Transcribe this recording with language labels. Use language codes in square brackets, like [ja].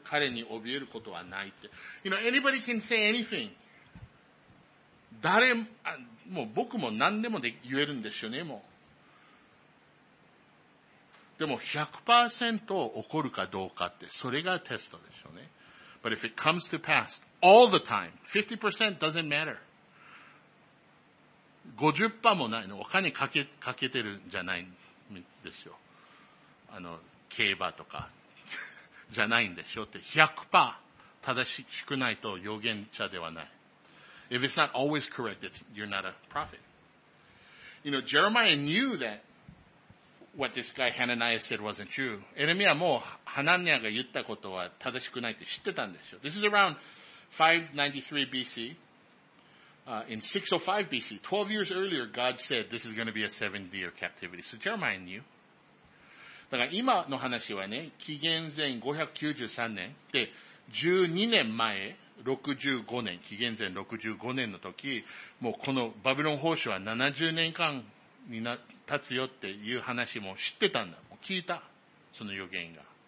[ja] 彼に怯えることはないって。 [en] You know, anybody can say anything. [ja] 誰も、もう僕も何でも言えるんですよね、もう。でも 100% 起こるかどうかって、それがテストでしょうね。 [en] But if it comes to pass all the time, 50% doesn't matter. [ja] 50% もないの。お金かけてるんじゃないんですよ。競馬とか、じゃないんでしょって。100% 正しくないと預言者ではない。 [en] If it's not always correct, you're not a prophet. You know, Jeremiah knew that What this guy Hananiah said wasn't true. [ja] エレミアもハナニアが言ったことは正しくないって知ってたんですよ。 [en] This is around 593 BC. In 605 BC, 12 years earlier, God said this is going to be a 70-year captivity. So Jeremiah knew. [ja] だから今の話はね、紀元前593年で12年前、65年、紀元前65年の時、もうこのバビロン法師は70年間にな立つよっていう話も知ってたんだ。もう聞いた。その予言が。